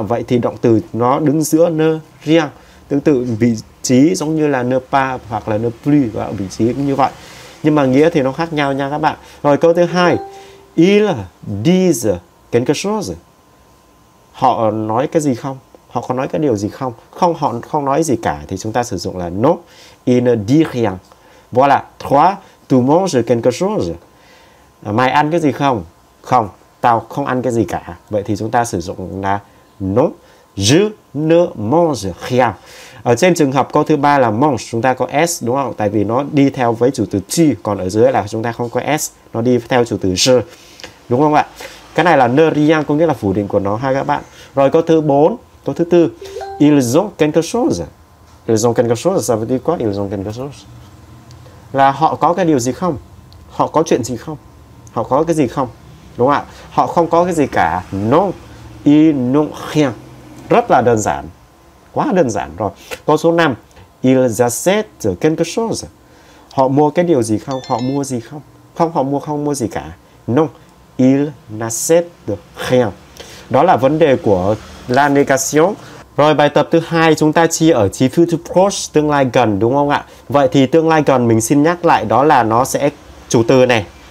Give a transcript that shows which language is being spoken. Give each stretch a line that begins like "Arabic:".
Vietnamese: Vậy thì động từ nó đứng giữa ne rien, tương tự vị trí giống như là ne pas hoặc là ne plus, và vị trí cũng như vậy. Nhưng mà nghĩa thì nó khác nhau nha các bạn. Rồi câu thứ hai,
French: il dit quelque chose.
Vietnamese: Họ nói cái gì không? Họ có nói cái điều gì không? Không, họ không nói gì cả thì chúng ta sử dụng là
French: non, il ne dit rien. Voilà, trois, tu manges quelque chose.
Vietnamese: Mày ăn cái gì không? Không, tao không ăn cái gì cả. Vậy thì chúng ta sử dụng là
French: non, je ne mange rien.
Vietnamese: Ở trên trường hợp câu thứ ba là mange, chúng ta có s, đúng không? Tại vì nó đi theo với chủ từ tu, còn ở dưới là chúng ta không có s, nó đi theo chủ từ je, đúng không ạ? Cái này là ne rien, có nghĩa là phủ định của nó ha các bạn. Rồi câu thứ bốn, câu thứ tư,
French: ils ont quelque chose. Ils ont quelque chose, ça veut dire quoi? Ils ont quelque chose
Vietnamese: là họ có cái điều gì không, họ có chuyện gì không, họ có cái gì không, đúng không ạ? Họ không có cái gì cả.
French: Non, ils n'ont rien.
Vietnamese: Rất là đơn giản, quá đơn giản rồi. Câu số 5,
French: ils achètent quelque chose.
Vietnamese: Họ mua cái điều gì không? Họ mua gì không? Không, họ mua không mua gì cả.
French: Non, ils n'achètent rien.
Vietnamese: Đó là vấn đề của la négation. Rồi bài tập thứ hai, chúng ta chia ở trí future proche, tương lai gần, đúng không ạ? Vậy thì tương lai gần mình xin nhắc lại, đó là nó sẽ chủ từ này,